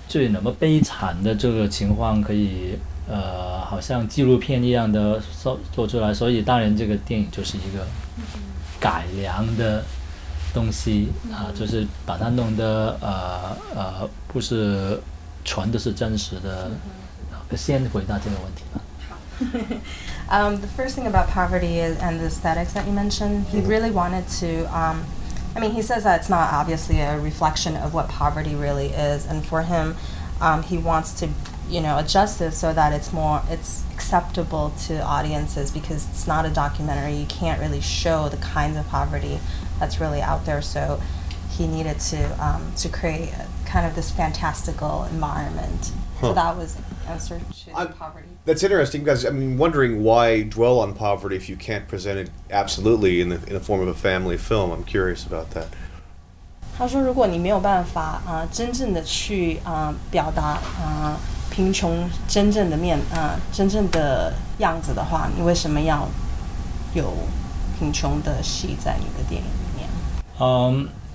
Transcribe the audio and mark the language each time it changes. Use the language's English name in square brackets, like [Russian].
[Chinese] 那么悲惨的这个情况可以好像纪录片一样的做出来，所以当然这个电影就是一个改良的东西啊，就是把它弄得不是全都是真实的。先回答这个问题吧。 [English] The first thing about poverty and the aesthetics that you mentioned, he really wanted to I mean, he says that it's not obviously a reflection of what poverty really is, and for him, he wants to, you know, adjust it so that it's acceptable to audiences, because it's not a documentary. You can't really show the kinds of poverty that's really out there. So he needed to create kind of this fantastical environment. Huh. So that was the answer to the poverty. That's interesting, because I mean, wondering why dwell on poverty if you can't present it absolutely in the form of a family film. I'm curious about that. [Chinese] 他说如果你没有办法真正的去表达贫穷真正的面真正的样子的话，你为什么要有贫穷的戏在你的电影里面？